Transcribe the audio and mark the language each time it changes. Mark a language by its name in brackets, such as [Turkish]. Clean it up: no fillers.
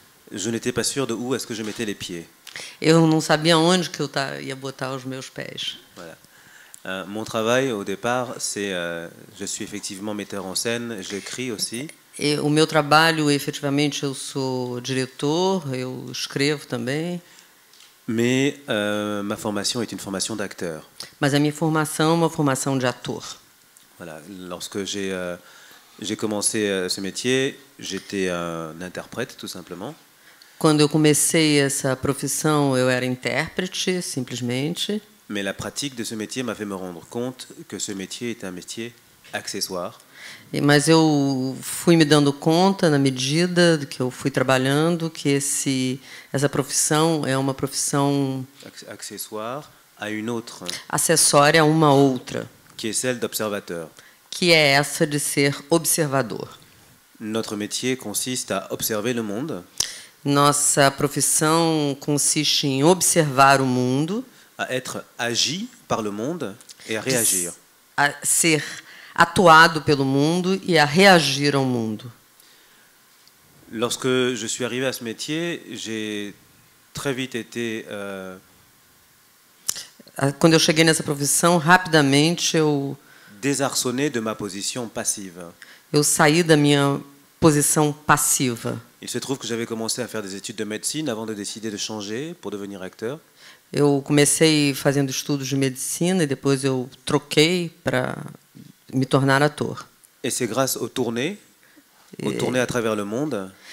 [French] je n'étais pas sûr de où est-ce que je mettais les pieds. [Portuguese] Eu não sabia onde que eu ia botar os meus pés. [French] Voilà. Mon travail au départ, c'est je suis effectivement metteur en scène, j'écris aussi. [Portuguese] Et o meu trabalho, efetivamente, eu sou diretor, eu escrevo também. [French] Mais ma formation est une formation d'acteur. [Portuguese] Mas a minha formação é uma formação de ator. [French] Voilà, lorsque j'ai commencé ce métier, j'étais un interprète tout simplement. [Portuguese] Quando eu comecei essa profissão, eu era intérprete, simplesmente. [French] Mais la pratique de ce métier m'a fait me rendre compte que ce métier est un métier accessoire. [Portuguese] Mas eu fui me dando conta na medida de que eu fui trabalhando que essa profissão é uma profissão [French] accessoire à une autre. [Portuguese] Acessória a uma outra. [French] Qui est celle d'observateur. [Portuguese] Que é essa de ser observador. [French] Notre métier consiste à observer le monde. [Portuguese] Nossa profissão consiste em observar o mundo. [French] À être agi par le monde et à réagir. [Portuguese] A ser atuado pelo mundo e a reagir ao mundo. [French] Lorsque je suis arrivé à ce métier, j'ai très vite été. [Portuguese] Quando eu cheguei nessa profissão, rapidamente eu. [French] Désarçonné de ma position passive. [Portuguese] Eu saí da minha posição passiva. [French] Il se trouve que j'avais commencé à faire des études de médecine avant de décider de changer pour devenir acteur. [Portuguese] Eu comecei fazendo estudos de medicina e depois eu troquei para me tornar ator. [French] Et c'est grâce aux tournées, aux tournées à travers le monde.